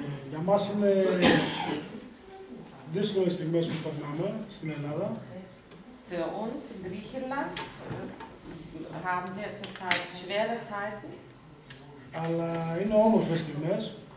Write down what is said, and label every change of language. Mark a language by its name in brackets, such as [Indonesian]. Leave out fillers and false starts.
[Greek] Για μας είναι δύσκολες στιγμές που περνάμε στην Ελλάδα. [German] Für uns in Griechenland haben wir zurzeit schwere Zeiten. [Greek] Αλλά είναι όμορφες τιμές.